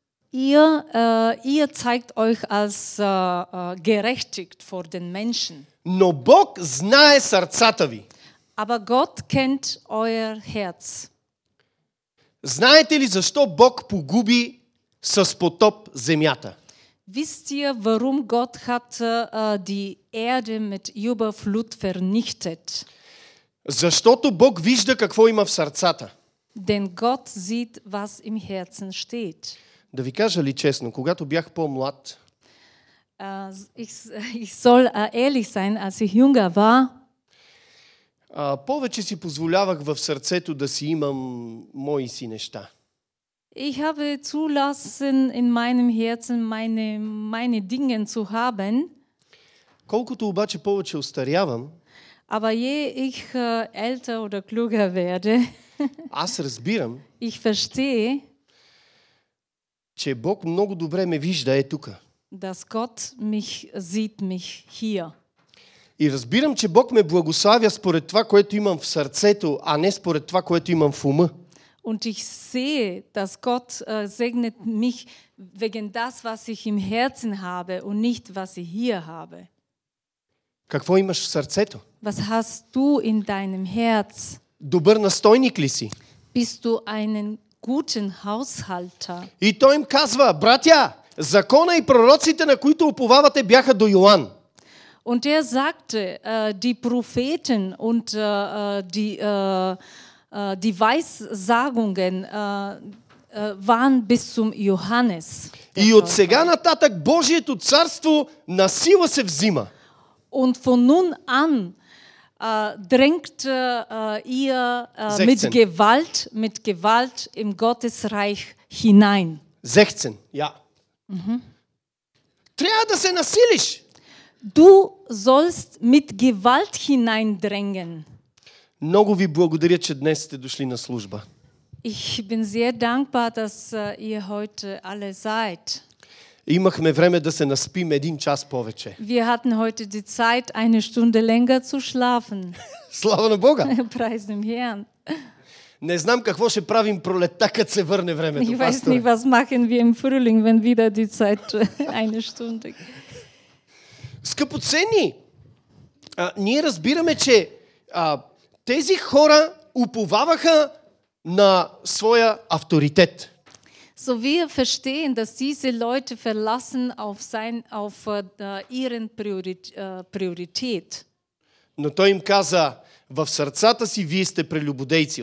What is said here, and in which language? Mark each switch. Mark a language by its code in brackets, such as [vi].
[de] Ihr zeigt euch als gerechtigt vor den Menschen. [bg] Но Бог знае сърцата ви. [de] Aber Gott kennt euer Herz. [bg] Знаете ли защо Бог погуби с потоп земята? [de] Wisst ihr, warum Gott hat die Erde mit Überflut vernichtet? [bg] Защото Бог вижда какво има в сърцата. [de] Denn Gott sieht, was im Herzen steht. [bg] Да ви кажа ли честно, когато бях по-млад, [de] ich soll ehrlich sein, als ich jünger war, [bg] повече си позволявах в сърцето да си имам мои си неща. [de] Ich habe zulassen in meinem Herzen meine Dinge zu haben. [bg] Колкото обаче повече устарявам, [de] aber je ich älter oder klüger werde, [bg] аз разбирам, [de] ich verstehe, [bg] че Бог много добре ме вижда е тука. [de] Dass Gott mich sieht mich hier. [bg] И разбирам, че Бог ме благославя според това, което имам в сърцето, а не според това, което имам в ума. [de] Und ich sehe, dass Gott segnet mich wegen das, was ich im Herzen habe und nicht was ich hier habe. [bg] Какво имаш в сърцето? [de] Was hast du in deinem Herz? [bg] Добър настойник ли си? [de] Bist du einen guten Haushalter? [bg] И той им казва: "Братя, закона и пророците, на които уповавате, бяха до Йоан." [de] Und er sagte, die Propheten und die Weissagungen waren bis zum Johannes. [bg] И от сега нататък Божието царство на сила се взима. [de] Und von nun an drängt ihr mit Gewalt im Gottesreich hinein. [bg] 16, ja. Mhm. Трябва да се насилиш. [de] Du sollst mit Gewalt hineindrängen. [bg] Много ви благодаря, че днес сте дошли на служба. [de] Ich bin sehr dankbar, dass ihr heute alle seid. [bg] Имахме време да се наспим един час повече. [de] Wir hatten heute die Zeit, eine Stunde länger zu schlafen. [bg] Слава на Бога! [de] Preis dem Herrn! [bg] Не знам какво ще правим пролетта, като се върне времето, пастор. [de] Ich weiß nicht, was machen wir im Frühling, wenn wieder die Zeit eine Stunde... [bg] Скъпоценни, ние разбираме, че тези хора уповаваха на своя авторитет. [de] So wir verstehen, dass diese Leute verlassen auf ihren Priorität. [bg] Но той им каза, в сърцата си вие сте прелюбодейци.